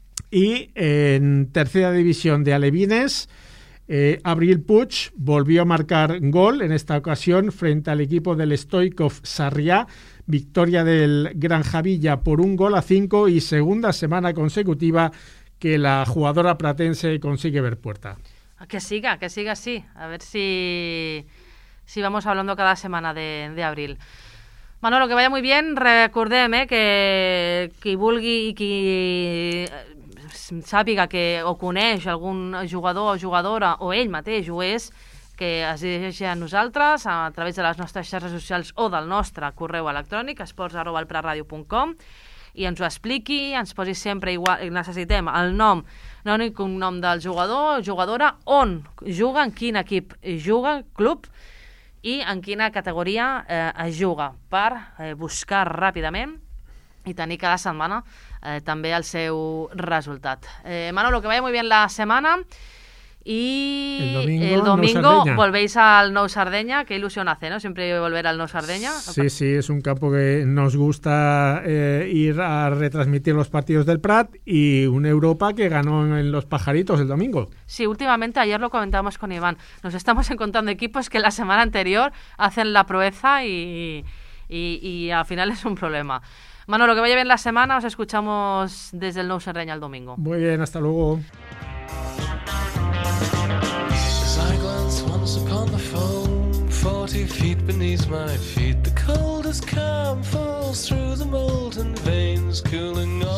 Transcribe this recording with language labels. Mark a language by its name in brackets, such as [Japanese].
[Spanish] Y en tercera división de alevines, Abril Puig volvió a marcar gol en esta ocasión frente al equipo del Stoikov Sarriá, victoria del Granjavilla por 1-5 y segunda semana consecutiva que la jugadora pratense consigue ver puerta. Que siga así, a ver si, si vamos hablando cada semana de Abril. [Catalan] Manolo, [Spanish] que vaya muy bien, [Catalan] recordem que qui vulgui i qui sàpiga que o coneix algun jugador o jugadora, o ell mateix ho és, que es dirigeixi a nosaltres a través de les nostres xarxes socials o del nostre correu electrònic esports@elpratradio.com i ens ho expliqui, ens posi sempre igual, necessitem el nom, no ni un nom del jugador o jugadora, on juga, en quin equip juga, club, i en quina categoria es juga, per buscar ràpidament i tenir cada setmana també el seu resultat. [Spanish] Manolo, que vaya muy bien la semana y el domingo volvéis al Nou Sardenya, qué ilusión hace, ¿no? Siempre volver al Nou Sardenya. Sí, sí, es un campo que nos gusta ir a retransmitir los partidos del Prat y un Europa que ganó en los Pajaritos el domingo. Sí, últimamente, ayer lo comentábamos con Iván, nos estamos encontrando equipos que la semana anterior hacen la proeza y al final es un problema. Manolo, que vaya bien la semana. Os escuchamos desde el Nou Sardenya el domingo. Muy bien, hasta luego. [English] As I glance once upon the foam, 40 feet beneath my feet, the coldest calm falls through the molten veins, cooling